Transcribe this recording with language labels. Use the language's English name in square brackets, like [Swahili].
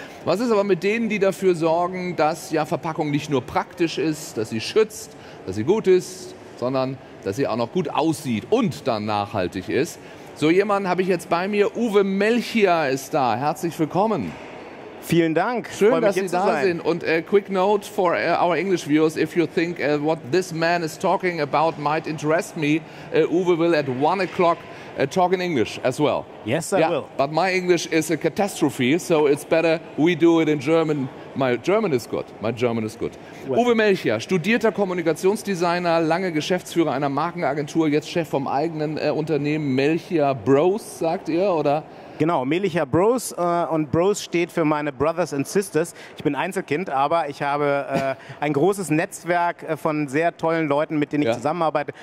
[German] Was ist aber mit denen, die dafür sorgen, dass ja Verpackung nicht nur praktisch ist, dass sie schützt, dass sie gut ist, sondern dass sie auch noch gut aussieht und dann nachhaltig ist? So jemanden habe ich jetzt bei mir, Uwe Melchior ist da, herzlich willkommen. Vielen Dank. Schön, dass Sie da sind. [English] Und a quick note for our English viewers, if you think what this man is talking about might interest me, Uwe will at 1 o'clock talk in English as well. Yes, I will. But my English is a catastrophe, so it's better we do it in German. My German is good. My German is good. Well. [German] Uwe Melchior, studierter Kommunikationsdesigner, lange Geschäftsführer einer Markenagentur, jetzt Chef vom eigenen Unternehmen Melchior Bros, sagt ihr, oder? Genau, Melchior Bros, und Bros steht für meine [English] Brothers and Sisters. [German] Ich bin Einzelkind, aber ich habe ein großes Netzwerk von sehr tollen Leuten, mit denen ich zusammenarbeite.